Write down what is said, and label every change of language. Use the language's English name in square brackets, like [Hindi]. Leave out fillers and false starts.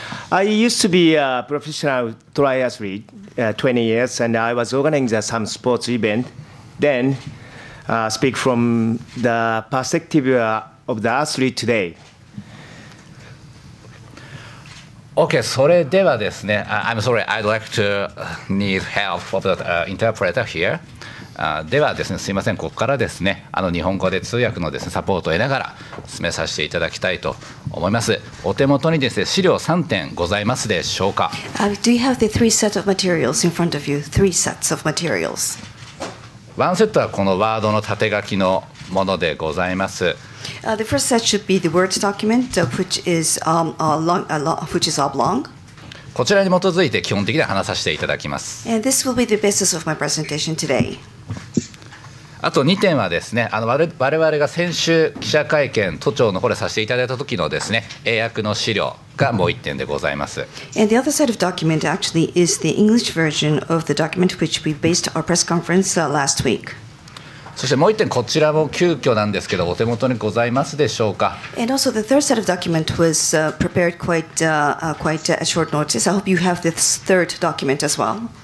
[English] I used to be a professional triathlete 20 years, and I was organizing some sports event. Then, speak from the perspective of the athlete today. Okay, [Japanese] それではですね、 [English] I'm sorry, I'd like to need help of the interpreter here. [Japanese] ではですね、すいません、ここからですね、日本語で通訳のですね、サポートを得ながら進めさせていただきたいと思います。お手元にですね、資料3点ございますでしょうか。 [English] Do you have the three sets of materials in front of you? Three sets of materials. [Japanese] ワンセットはこのワードの縦書きのものでございます。 [English] The first set should be the words document, which is long, which is oblong. [Japanese] こちらに基づいて基本的には話させていただきます。 [English] And this will be the basis of my presentation today. [Japanese] あと2点はですね、我々が先週記者会見都庁の方でさせていただいた時のですね、英訳の資料がもう1点でございます。 [English] And the other side of document actually is the English version of the document which we based our press conference last week. [Japanese] そしてもう1点、こちらも急遽なんですけど、お手元にございますでしょうか。 [English] And also the third set of document was prepared quite, quite a short notice. I hope you have this third document as well.